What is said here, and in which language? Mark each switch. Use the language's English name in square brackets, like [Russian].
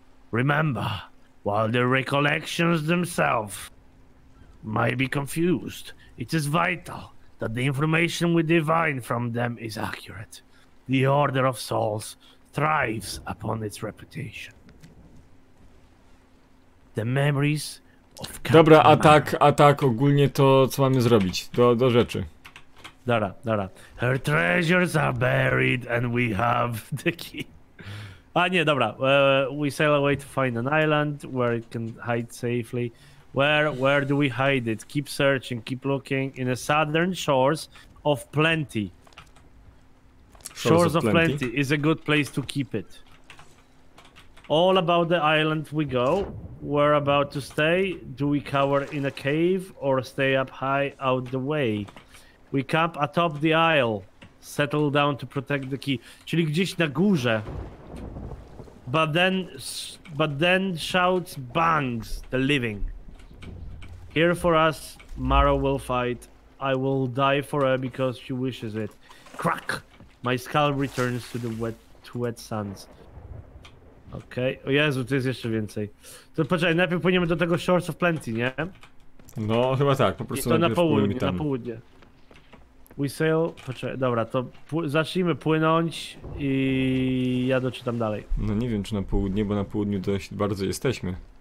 [English] Remember, while the recollections themselves might be confused, it is vital that the information we divine from them is accurate. The Order of Souls thrives upon its reputation. The memories of... [Polish] Dobra, a tak ogólnie to, co mamy zrobić, do rzeczy. Dara. [English] Her treasures are buried and we have the key. [Polish] A nie, dobra. [English] We sail away to find an island where it can hide safely. Where do we hide it? Keep searching, keep looking. In the southern shores of plenty. Shores of plenty is a good place to keep it. All about the island we go. We're about to stay. Do we cower in a cave or stay up high out the way? We camp atop the isle. Settle down to protect the key. [Polish] Czyli gdzieś na górze. [English] But then shouts bangs the living. Here for us, Mara will fight. I will die for her because she wishes it. Crack! My skull returns to the wet sands. [Polish] Okej. Okay. O Jezu, tu jest jeszcze więcej. To poczekaj, najpierw płyniemy do tego Shores of Plenty, nie? No, chyba tak, po prostu to na południe, tam. Na południe. [English] We sail... [Polish] Poczekaj, dobra, to zacznijmy płynąć i ja doczytam dalej. No nie wiem, czy na południe, bo na południu dość bardzo jesteśmy.